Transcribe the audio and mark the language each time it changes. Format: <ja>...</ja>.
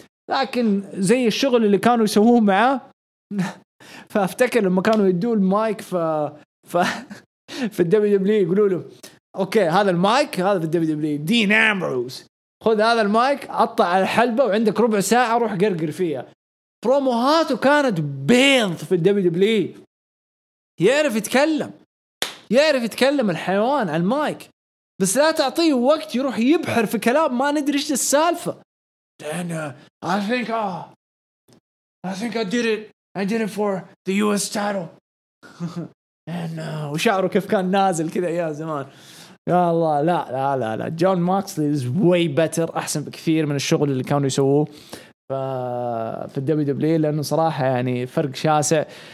<ar>لكن زي الشغل اللي كانوا يسووه معاه، فأفتكر لما كانوا يدوه المايك في الدبليو دبليو يقولوا له أوكي هذا المايك، هذا في الدبليو دبليو دين أمبروز، خذ هذا المايك أطع على الحلبة وعندك ربع ساعة روح قرقر فيها. بروموهاته كانت بيض في الدبليو دبليو، يعرف يتكلم الحيوان على المايك، بس لا تعطيه وقت يروح يبحر في كلام ما ندري ايش السالفه.</ar> <en>Then, I think I did it for the US title.</en> <ar>And وشعره كيف كان نازل كذا يا زمان، يا الله لا لا لا لا، جون ماكسلي</ar> <en>is way better،</en> <ar>احسن بكثير من الشغل اللي كانوا يسووه في الـ WWE، لأنه صراحة يعني فرق شاسع.</ar>